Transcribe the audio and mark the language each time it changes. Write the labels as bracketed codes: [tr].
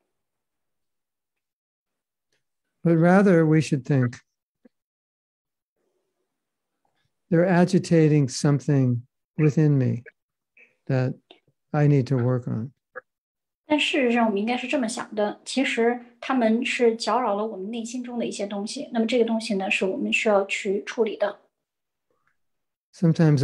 [zh] 所以每次就是当我们被别人所搅扰的时候，我们觉得不舒服的时候，我们就会在想，一定是这个人的问题，是这个人在折腾我，所以我不舒服了。 [en] But rather, we should think they're agitating something within me that I need to work on. [zh] 但事实上，我们应该是这么想的。其实他们是搅扰了我们内心中的一些东西。那么这个东西呢，是我们需要去处理的。 [en] Sometimes